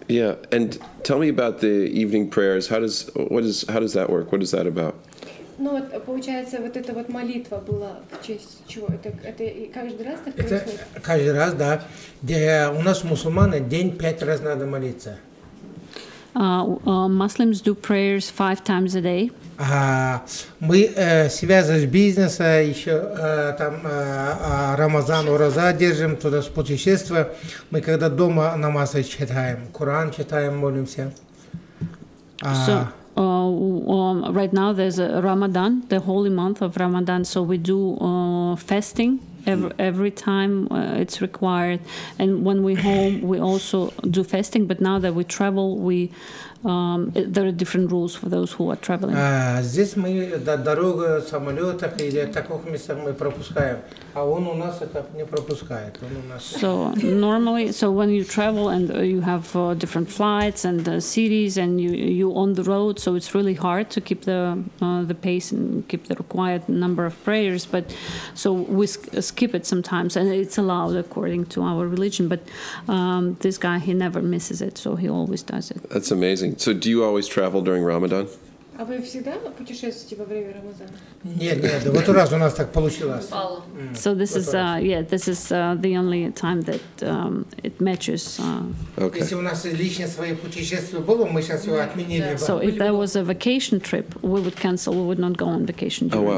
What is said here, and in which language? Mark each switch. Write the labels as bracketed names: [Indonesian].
[English] Yeah, and tell me about the evening prayers. How does that work? What is that about? [Russian] Ну, вот, получается, вот эта вот молитва была в честь чего? Это каждый раз так происходит? Это каждый раз, да. У нас мусульманы день 5 раз надо молиться. [English] Muslims do prayers 5 times a day. [Russian] Мы связаны с бизнесом, еще там Рамазан, Ураза держим, туда с путешествия. Мы когда дома намазы читаем, Коран читаем, молимся. [English] Right now there's a Ramadan, the holy month of Ramadan, so we do fasting every time it's required, and when we home we also do fasting, but now that we travel there are different rules for those who are traveling. [Russian] Здесь мы дорога самолетах или таких местах мы пропускаем, а он у нас это не пропускает. [English] So normally, so when you travel and you have different flights and cities and you on the road, so it's really hard to keep the pace and keep the required number of prayers. But so we skip it sometimes, and it's allowed according to our religion. But this guy, he never misses it, so he always does it. That's amazing. So do you always travel during Ramadan? [Russian] А вы всегда путешествуете во время Рамазана? Нет, в этот раз у нас так получилось. [English] So this is the only time that it matches. Okay. [Russian] Если у нас лично свои путешествия было, мы сейчас его отменили. [English] So if there was a vacation trip, we would cancel. We would not go on vacation during Ramadan.